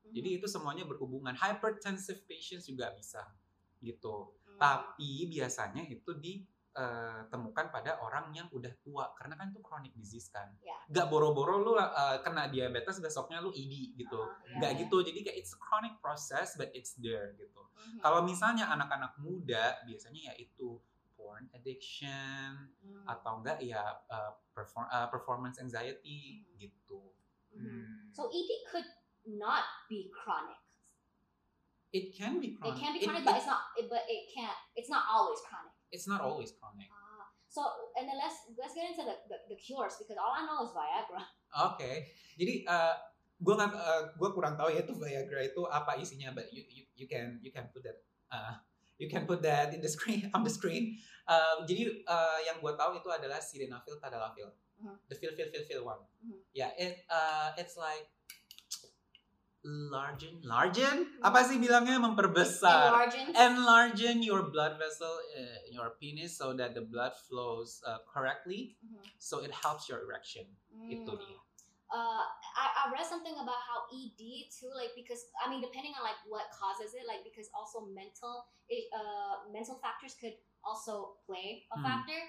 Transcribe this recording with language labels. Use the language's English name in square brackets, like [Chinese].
[Indonesian] Jadi itu semuanya berhubungan. [English] Hypertensive patients [Indonesian] juga bisa gitu. Tapi biasanya itu ditemukan pada orang yang udah tua, karena kan itu chronic disease kan. Gak boro-boro lu kena diabetes besoknya lu ED gitu. Gak gitu. Jadi kayak [English] it's a chronic process but it's there [Indonesian] gitu. Kalau misalnya anak-anak muda, biasanya ya itu porn addiction, atau enggak ya performance anxiety, gitu. [English] So ED could not be chronic. It can be chronic. It can be chronic, it's not always chronic. It's not always chronic. So, and then let's get into the cures, because all I know is Viagra. Okay. [Indonesian] Jadi, gue kurang tahu ya itu Viagra itu apa isinya, [English] but you can put that in the screen, on the screen. [Indonesian] Jadi yang gue tahu itu adalah sildenafil, tadalafil, [English] the fill one. Yeah, it's like Largen? [Indonesian] Apa sih bilangnya, memperbesar? [English] Enlarging your blood vessel, your penis, so that the blood flows correctly, so it helps your erection. [Indonesian] Itu dia. [English] I read something about how ED too, like, because I mean, depending on like what causes it, like, because also mental factors could also play a factor.